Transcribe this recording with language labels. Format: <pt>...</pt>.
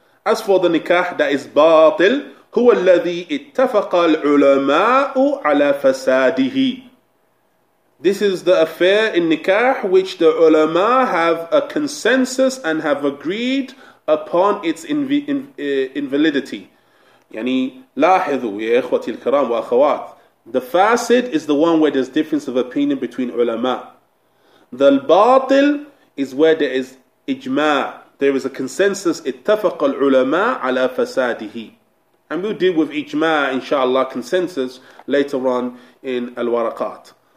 <en>As for the nikah that is batil,</en> <ar>هو الذي اتفق العلماء على فساده.</ar> <en>This is the affair in nikah which the ulama have a consensus and have agreed upon its invalidity.</en> <ar>يعني لاحظوا يا إخوتي الكرام وأخوات.</ar> <en>The fasid is the one where there's difference of opinion between ulama. The al-batil is where there is ijma', there is a consensus, ittafaq al-ulama' ala fasadihi. And we'll deal with ijma', inshallah, consensus, later on in al-waraqat.</en>